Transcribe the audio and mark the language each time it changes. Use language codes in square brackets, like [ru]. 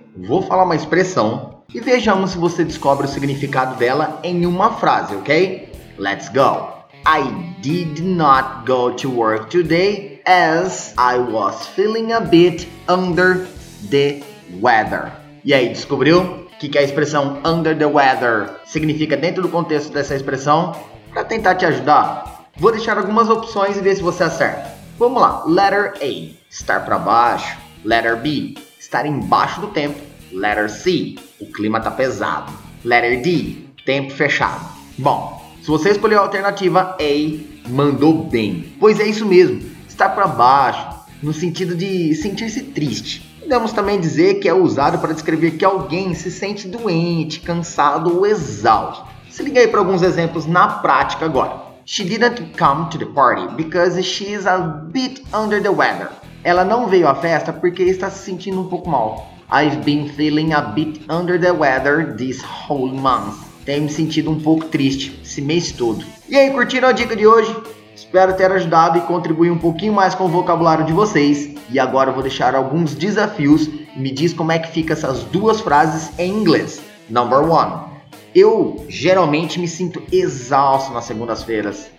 [pt] Vou falar uma expressão e vejamos se você descobre o significado dela em uma frase, ok? [en] Let's go! I did not go to work today as I was feeling a bit under the weather. [pt] E aí, descobriu o que a expressão under the weather significa dentro do contexto dessa expressão? Para tentar te ajudar, vou deixar algumas opções e ver se você acerta. Vamos lá. [en] Letter A, [pt] estar para baixo. [en] Letter B, [pt] estar embaixo do tempo. [en] Letter C, [pt] o clima tá pesado. Letter D, tempo fechado. Bom, se você escolheu a alternativa A, mandou bem. Pois é isso mesmo, estar para baixo, no sentido de sentir-se triste. Podemos também dizer que é usado para descrever que alguém se sente doente, cansado ou exausto. Se liga aí para alguns exemplos na prática agora. [en] She didn't come to the party because she's a bit under the weather. [pt] Ela não veio à festa porque está se sentindo um pouco mal. [en] I've been feeling a bit under the weather this whole month. [pt] Tenho me sentido um pouco triste esse mês todo. E aí, curtiram a dica de hoje? Espero ter ajudado e contribuir um pouquinho mais com o vocabulário de vocês. E agora eu vou deixar alguns desafios. Me diz como é que fica essas duas frases em inglês. [en] Number 1. [pt] Eu geralmente me sinto exausto nas segundas-feiras.